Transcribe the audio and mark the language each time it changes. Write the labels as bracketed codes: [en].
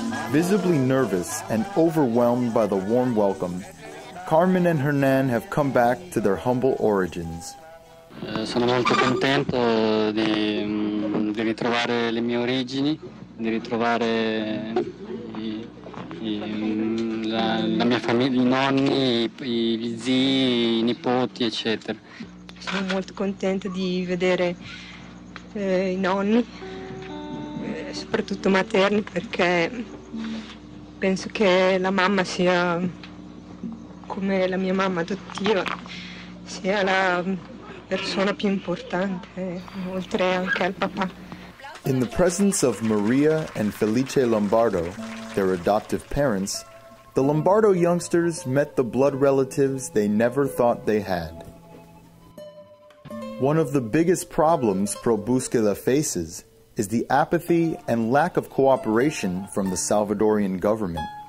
[en] Visibly nervous and overwhelmed by the warm welcome, Carmen and Hernan have come back to their humble origins. [it] Sono molto contento di ritrovare le mie origini, di ritrovare la mia famiglia, i nonni, gli zii, i nipoti, eccetera. Sono molto contenta di vedere i nonni, soprattutto materni, perché penso che la mamma sia, come la mia mamma adottiva, sia la persona più importante, oltre anche al papà. [en] In the presence of Maria and Felice Lombardo, their adoptive parents, the Lombardo youngsters met the blood relatives they never thought they had. One of the biggest problems ProBúsqueda faces is the apathy and lack of cooperation from the Salvadorian government.